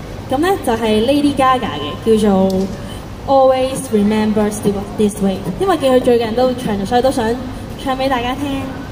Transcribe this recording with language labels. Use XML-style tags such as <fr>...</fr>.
<yue>咁咧就係 Lady Gaga 嘅，叫做。</yue> <en>Always remember this way.</en> <yue>因為見佢最近都唱咗，所以都想唱俾大家聽。</yue>